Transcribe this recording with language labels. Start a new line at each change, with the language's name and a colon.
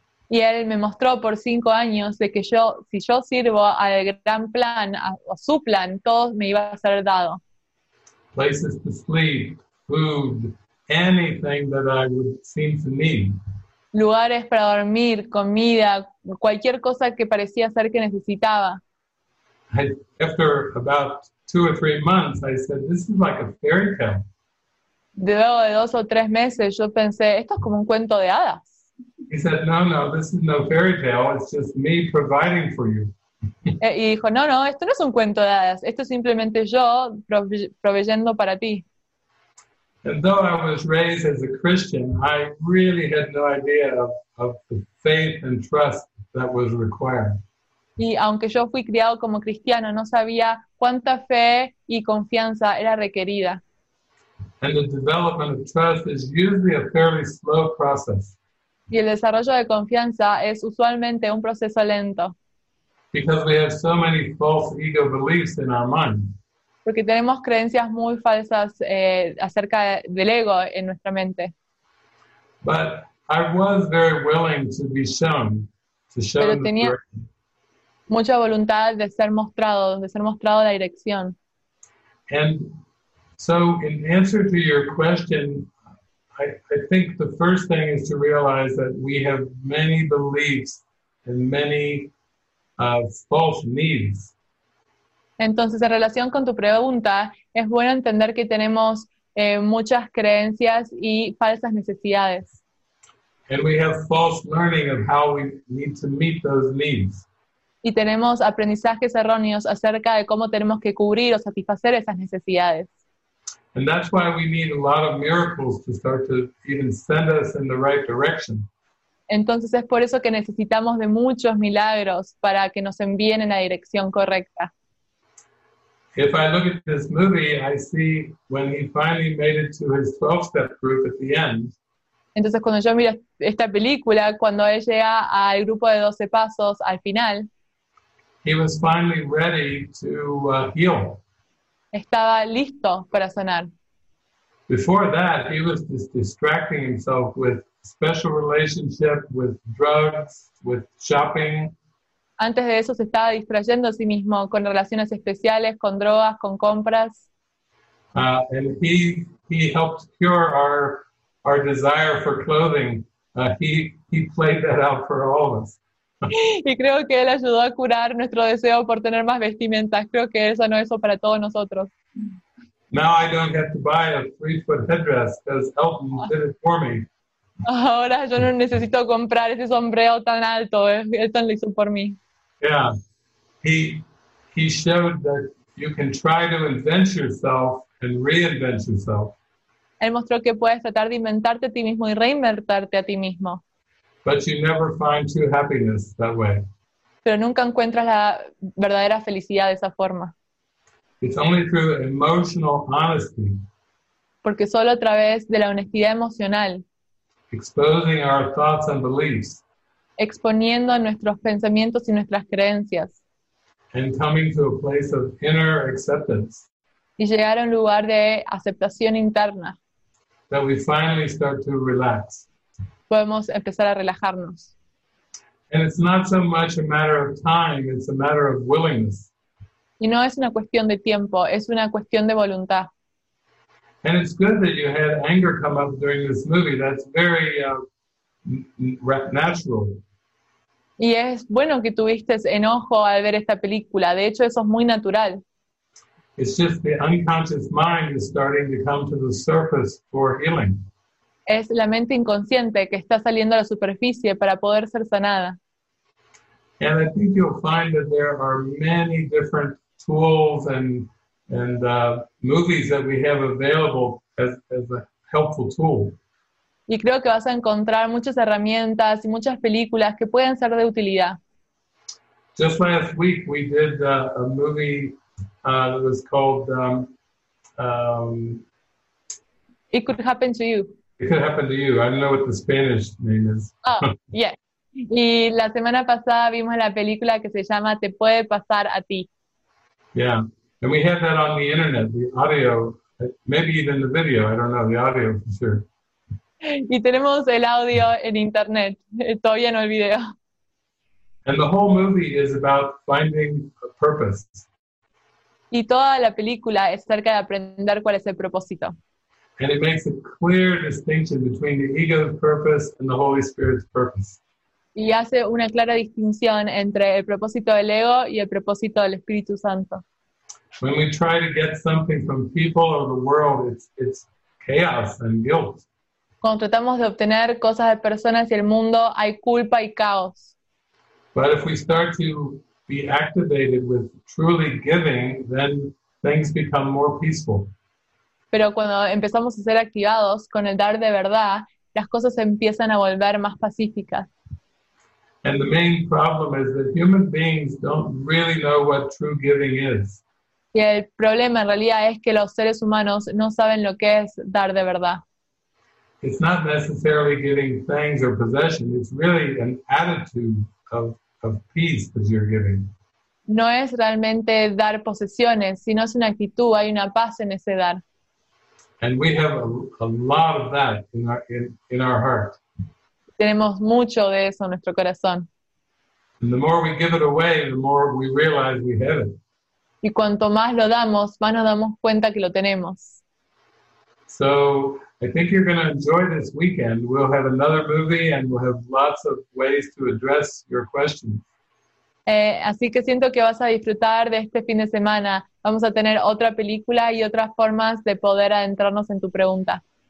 Spanish: Y él me mostró por 5 años de que yo, si yo sirvo al gran plan, a su plan, todo me iba a ser dado.
English: Places to sleep, food, anything that I would seem to need.
Spanish: Lugares para dormir, comida, cualquier cosa que parecía ser que necesitaba.
English: After about 2 or 3 months, I said, this is like a fairy tale.
Spanish: De luego de 2 o 3 meses, yo pensé, esto es como un cuento de hadas.
English: He said, no, no, this is no fairy tale, it's just me providing for you.
Spanish: Y dijo, no, no, esto no es un cuento de hadas, esto es simplemente yo proveyendo para ti.
English: And though I was raised as a Christian, I really had no idea of the faith and trust that was required.
Spanish: Y aunque yo fui criado como cristiano, no sabía cuánta fe y confianza era requerida.
English: And the development of trust is usually a fairly slow process.
Spanish: Y el desarrollo de confianza es usualmente un proceso lento.
English: Because we have so many false ego beliefs in our mind.
Spanish: Porque tenemos creencias muy falsas acerca del ego en nuestra mente.
English: But I was very willing to be shown, to show
Spanish: Pero tenía mucha voluntad de ser mostrado la dirección.
English: And so in answer to your question, I think the first thing is to realize that we have many beliefs and many false needs.
Spanish: Entonces, en relación con tu pregunta, es bueno entender que tenemos muchas creencias y falsas necesidades.
English: And we have false learning of how we need to meet those needs.
Spanish: Y tenemos aprendizajes erróneos acerca de cómo tenemos que cubrir o satisfacer esas necesidades.
English: And that's why we need a lot of miracles to start to even send us in the right direction.
Spanish: Entonces, es por eso que necesitamos de muchos milagros para que nos envíen en la dirección correcta.
English: If I look at this movie, I see when he finally made it to his 12-step group at the end.
Spanish: Entonces, cuando yo miro esta película, cuando él llega al grupo de 12 pasos al final,
English: he was finally ready to heal.
Spanish: Estaba listo para sanar.
English: Before that, he was just distracting himself with special relationship, with drugs, with shopping.
Spanish: Antes de eso se estaba distrayendo a sí mismo con relaciones especiales, con drogas, con compras.
English: And he helped cure our desire for clothing. He played that out for all of us.
Spanish: Y creo que él ayudó a curar nuestro deseo por tener más vestimentas. Creo que eso no es para todos nosotros.
English: Now I don't have to buy a 3-foot headdress because Elton did it for me.
Spanish: Ahora yo no necesito comprar ese sombrero tan alto, Elton lo hizo por mí.
English: Yeah, he showed that you can try to invent yourself and reinvent yourself.
Spanish: Él mostró que puedes tratar de inventarte a ti mismo y reinventarte a ti mismo.
English: But you never find true happiness that way.
Spanish: Pero nunca encuentras la verdadera felicidad de esa forma.
English: It's only through emotional honesty.
Spanish: Porque solo a través de la honestidad emocional.
English: Exposing our thoughts and beliefs.
Spanish: Exponiendo nuestros pensamientos y nuestras creencias.
English: And coming to a place of inner acceptance.
Spanish: Y llegar a un lugar de aceptación interna.
English: That we finally start to relax.
Spanish: Podemos empezar a relajarnos.
English: And it's not so much a matter of time, it's a matter of willingness.
Spanish: Y no es una cuestión de tiempo, es una cuestión de voluntad.
English: And it's good that you had anger come up during this movie. That's very natural.
Spanish: Y es bueno que tuviste enojo al ver esta película. De hecho, eso es muy natural.
English: It's just the unconscious mind is starting to come to the surface for healing.
Spanish: Es la mente inconsciente que está saliendo a la superficie para poder ser sanada.
English: And I think you'll find that there are many different tools and movies that we have available as a helpful tool.
Spanish: Y creo que vas a encontrar muchas herramientas y muchas películas que pueden ser de utilidad.
English: Just last week we did a movie that was called It Could Happen to You. It Could Happen to You. I don't know what the Spanish name is. Oh, yeah.
Spanish: Y la semana pasada vimos la película que se llama Te Puede Pasar a Ti.
English: Yeah. And we have that on the internet, the audio, maybe even the video, I don't know, the audio for sure.
Spanish: Y tenemos el audio en internet, todavía no el video.
English: And the whole movie is about finding a purpose.
Spanish: Y toda la película es acerca de aprender cuál es el propósito.
English: And it makes a clear distinction between the ego's purpose and the Holy Spirit's purpose.
Spanish: Y hace una clara distinción entre el propósito del ego y el propósito del Espíritu Santo.
English: When we try to get something from people or the world, it's chaos and guilt.
Spanish: Cuando tratamos de obtener cosas de personas y el mundo, hay culpa y caos.
English: But if we start to be activated with truly giving, then things become more peaceful.
Spanish: Pero cuando empezamos a ser activados con el dar de verdad, las cosas empiezan a volver más pacíficas.
English: And the main problem is that human beings don't really know what true giving is.
Spanish: Y el problema en realidad es que los seres humanos no saben lo que es dar de verdad.
English: It's not necessarily giving things or possessions, it's really an attitude of peace that you're giving.
Spanish: No es realmente dar posesiones, sino es una actitud, hay una paz en ese dar.
English: And we have a lot of that in our heart.
Spanish: Tenemos mucho de eso en nuestro corazón.
English: And the more we give it away, the more we realize we have it.
Spanish: Y cuanto más lo damos, más nos damos cuenta que lo tenemos.
English: So, I think you're going to enjoy this weekend. We'll have another movie and we'll have lots of ways to address your questions.
Spanish: Así que siento que vas a disfrutar de este fin de semana. Vamos a tener otra película y otras formas de poder adentrarnos en tu pregunta.